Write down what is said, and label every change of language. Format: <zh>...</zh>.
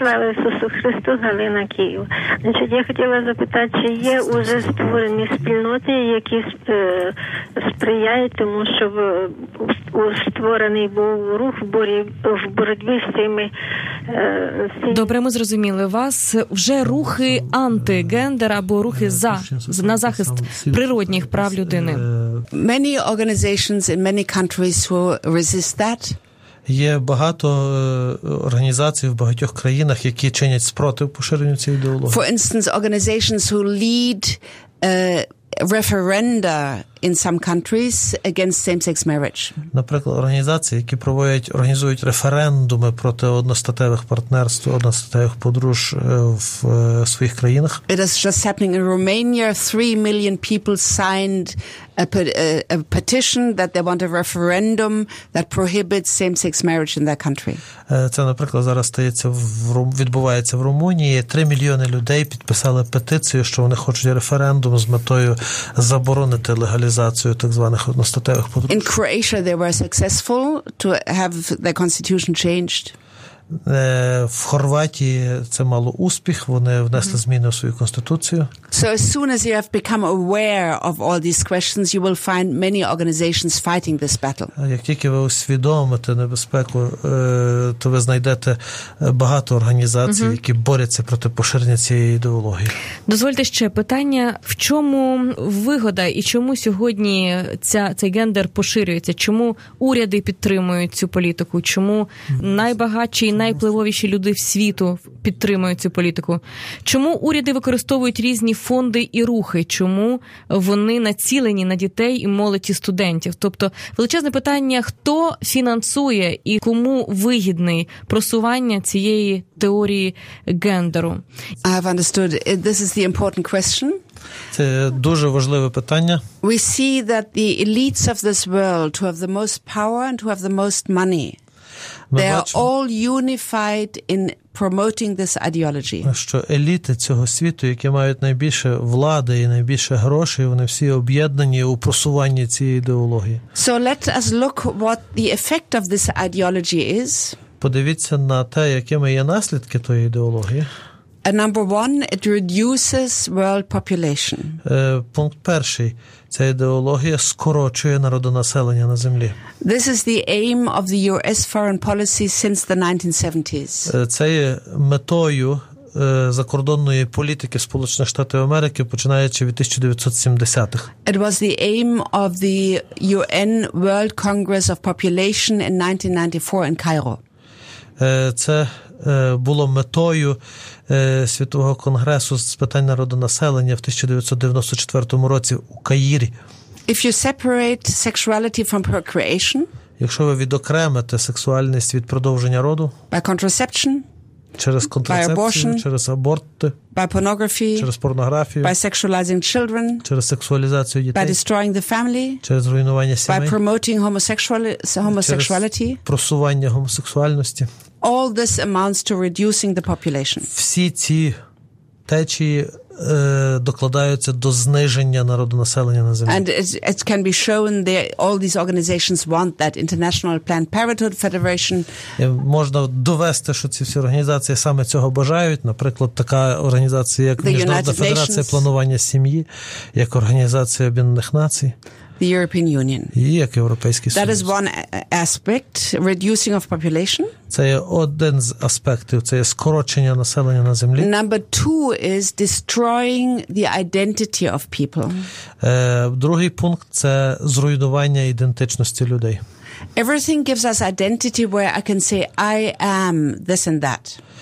<uk>Слава Ісусу Христу, Галина, Київ. Значить, я хотіла запитати, чи є уже створені спільноти, які сприяють тому, щоб створений був рух в боротьбі з цими... Добре, ми зрозуміли вас. Вже рухи антигендер або рухи за, на захист природних прав людини.</uk> <en>Many organizations in many countries will resist that.</en> <uk>Є багато організацій в багатьох країнах, які чинять спротив поширенню цієї ідеології.</uk> <en>For instance, organizations who lead referenda in some countries against same-sex marriage.</en> <uk>Наприклад, організації, які проводять, організують референдуми проти одностатевих партнерств, одностатевих подруж в своїх країнах.</uk> <en>It is just happening in Romania. 3 million people signed a petition that they want a referendum that prohibits same-sex marriage in their country.</en> <uk>Це, наприклад, зараз стається відбувається в Румунії. 3 мільйони людей підписали петицію, що вони хочуть референдум з метою заборонити легалізацію так званих одностатевих подруж.</uk> <en>In Croatia they were successful to have their constitution changed.</en> <uk>В Хорватії це мало успіх, вони внесли зміни у свою конституцію.</uk> <en>So as soon as you have become aware of all these questions, you will find many organizations fighting this battle.</en> <uk>Як тільки ви усвідомите небезпеку, то ви знайдете багато організацій, які борються проти поширення цієї ідеології. Дозвольте ще питання, в чому вигода і чому сьогодні цей гендер поширюється? Чому уряди підтримують цю політику? Чому найбагатші найвпливовіші люди в світу підтримують цю політику. Чому уряди використовують різні фонди і рухи? Чому вони націлені на дітей і молодь і студентів? Тобто, величезне питання, хто фінансує і кому вигідне просування цієї теорії гендеру?</uk> <en>I have understood. This is the important question.</en> <uk>Це дуже важливе питання.</uk> <en>We see that the elites of this world who have the most power and who have the most money, they are all unified in promoting this ideology.</en> <uk>Що еліти цього світу, які мають найбільше влади і найбільше грошей, вони всі об'єднані у просуванні цієї ідеології.</uk> <en>So let us look what the effect of this ideology is.</en> <uk>Подивіться на те, якими є наслідки тієї ідеології.</uk> <en>A number one, it reduces world population.</en> <uk>Пункт перший. Ця ідеологія скорочує народонаселення на землі.</uk> <en>This is the aim of the US foreign policy since the 1970s.</en> <uk>Це є метою закордонної політики Сполучених Штатів Америки, починаючи від 1970-х.</uk> <en>It was the aim of the UN World Congress of Population in 1994 in Cairo.</en> <uk>Це було метою Світового конгресу з питань народонаселення в 1994 році у Каїрі.</uk> <en>If you separate sexuality from procreation,</en> <uk>якщо ви відокремите сексуальність від продовження роду,</uk> <en>by contraception,</en> <uk>через контрацепцію,</uk> <en>by abortion,</en> <uk>через аборти,</uk> <en>by pornography,</en> <uk>через порнографію,</uk> <en>by sexualizing children,</en> <uk>через сексуалізацію дітей,</uk> <en>by destroying the family,</en> <uk>через руйнування сімей,</uk> <en>by promoting homosexuality,</en> <uk>через просування гомосексуальності.</uk> <en>All this amounts to reducing the population.</en> <uk>Всі ці течії докладаються до зниження народонаселення на землі.</uk> <en>And it can be shown that all these organizations want that International Planned Parenthood Federation.</en> <uk>Можна довести, що ці всі організації саме цього бажають. Наприклад, така організація, як Міжнародна федерація планування сім'ї, як Організація Об'єднаних Націй.</uk> <en>The European Union.</en> <uk>І як Європейський Союз.</uk> <en>That is one aspect, reducing of population.</en> <uk>Це є один з аспектів, це є скорочення населення на землі.</uk> <en>Number two is destroying the identity of people.</en> <uk>Другий пункт – це зруйнування ідентичності людей.</uk> <en>Everything gives us identity where I can say I am this and that.</en>